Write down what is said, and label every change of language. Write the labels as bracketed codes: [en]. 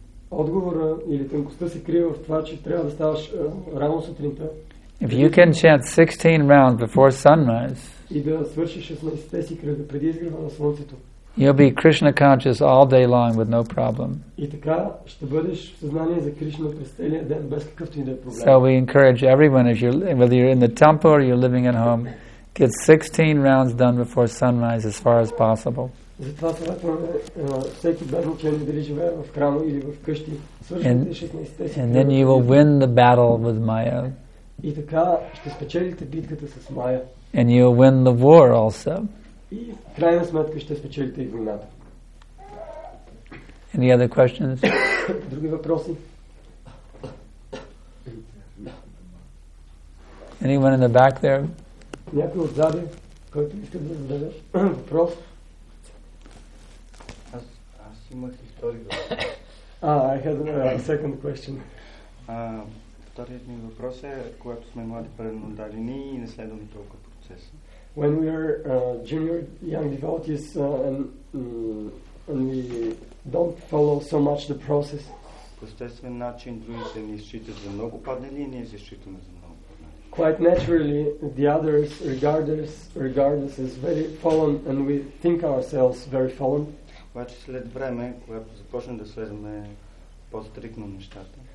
[bg] Отговора или тънкостта се крие в това, че трябва да ставаш рано сутринта. [en] If you can chant 16 rounds before sunrise. [bg] И да свършиш 16-те си кръга преди изгрева на слънцето. [en] You'll be Krishna conscious all day long with no problem. [bg] И така ще бъдеш в съзнание за Кришна през целия ден без какъвто и да е проблем. [en] So we encourage everyone, if you're, whether you're in the temple or you're living at home, get 16 rounds done before sunrise as far as possible. [bg] Затова съветваме всеки бедничен, дали живее в храма или в къщи, свършвате 16-те си. [en] And then you will win the battle with Maya. [bg] И така ще спечелите битката с Maya. [en] And you'll win the war also. [bg] И в крайна сметка ще спечелите и войната. [en] Any other questions? [bg] Други въпроси? [en] Anyone in the back there? [bg] Някой отзади, който иска да зададе въпрос? Аз имах и втори въпрос. [en] I had a second question. [bg] Вторият ми въпрос е, когато сме млади преднодадени и не следваме толкова процеса. [en] When we are junior young devotees and we don't follow so much the process. [bg] По естествен начин други се ни считат за много паднали и ние се считаме за много паднали. [en] Quite naturally the others regard us as very fallen and we think ourselves very fallen. [bg] Обаче след време, когато започнем да следваме по-стриктно нещата.